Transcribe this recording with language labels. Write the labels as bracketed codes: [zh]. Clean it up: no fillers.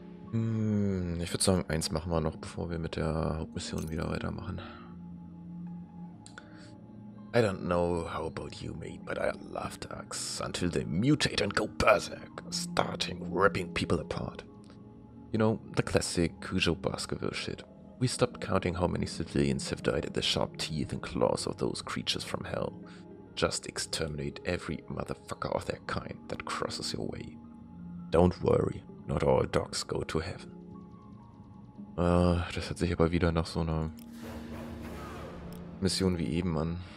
[de] Ich würde sagen, eins machen wir noch, bevor wir mit der Hauptmission wieder weitermachen. [en] I don't know how about you, mate, but I love dogs. Until they mutate and go berserk, starting ripping people apart. You know, the classic Cujo Baskerville shit. We stopped counting how many civilians have died at the sharp teeth and claws of those creatures from hell. Just exterminate every motherfucker of their kind that crosses your way. Don't worry, not all dogs go to heaven. [de] Das hört sich aber wieder nach so einer Mission wie eben an.